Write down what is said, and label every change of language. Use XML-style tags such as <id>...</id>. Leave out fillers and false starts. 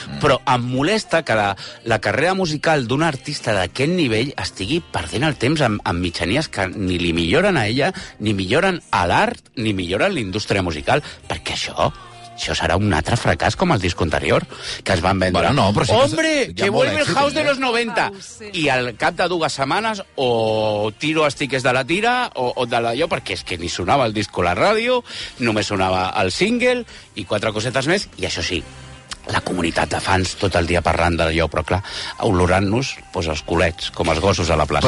<ca>Però em molesta que la carrera musical d'un artista d'aquest nivell estigui perdent el temps amb mitjanies que ni li milloren a ella, ni milloren a l'art, ni milloren l'indústria musical. Perquè això serà un altre fracàs com el disco anterior que es van vendre. Bueno, no, però sí,</ca> <es>¡hombre, que vuelve el house de los 90!</es> <ca>I al cap de dues setmanes o tiro els tiques de la tira o de la... Jo, perquè és que ni sonava el disco a la ràdio, només sonava el single i quatre cosetes més. I això sí, la comunitat de fans tot el dia parlant d'allò, però clar, olorant-nos pues, els culets, com els gossos a la plaça.</ca>